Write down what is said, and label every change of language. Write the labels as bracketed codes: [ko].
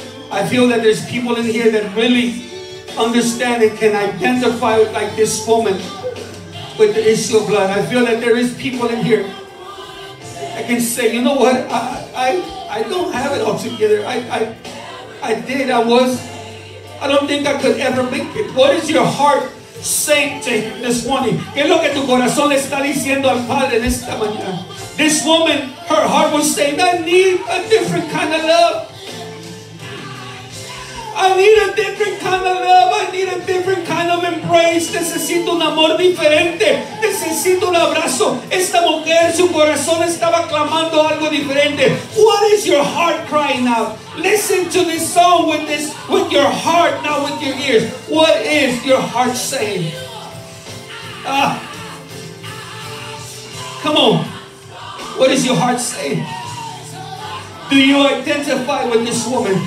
[en] I feel that there's people in here that really understand and can identify with, like this woman, with the issue of blood. I feel that there is people in here that can say, you know what, I don't have it all together. I don't think I could ever make it. What is your heart saying to him this morning? [es] ¿Qué es lo que tu corazón le está diciendo al Padre en esta mañana? [en] This woman, her heart was saying, I need a different kind of love. I need a different kind of love. I need a different kind of embrace. [es] Necesito un amor diferente. Necesito un abrazo. Esta mujer, su corazón estaba clamando algo diferente. [en] What is your heart crying out? Listen to this song with this, with your heart, not with your ears. What is your heart saying? Come on. What is your heart saying? Do you identify with this woman?